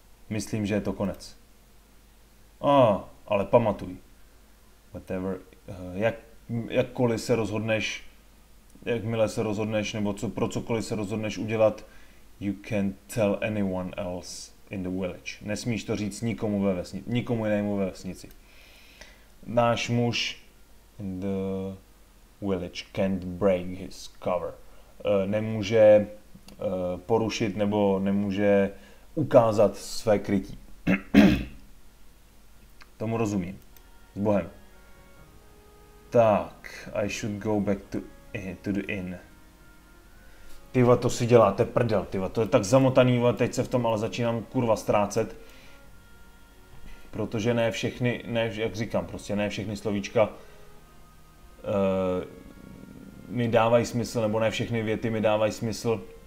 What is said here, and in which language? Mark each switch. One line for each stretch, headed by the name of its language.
Czech: Myslím, že je to konec. Ale pamatuj.
English: Whatever.
Czech: Jakkoliv se rozhodneš, jakmile se rozhodneš, nebo co, pro cokoliv se rozhodneš udělat,
English: you can't tell anyone else in the village.
Czech: Nesmíš to říct nikomu ve vesnici, nikomu jinému ve vesnici. Náš muž
English: in the village can't break his cover.
Czech: Nemůže porušit nebo nemůže ukázat své krytí. Tomu rozumím. Sbohem.
English: Tak, I should go back to the inn.
Czech: Tyva, to si děláte prdel, tyva, to je tak zamotaný, teď se v tom ale začínám kurva ztrácet. Protože ne všechny, ne, jak říkám, prostě ne všechny slovíčka mi dávají smysl, nebo ne všechny věty mi dávají smysl.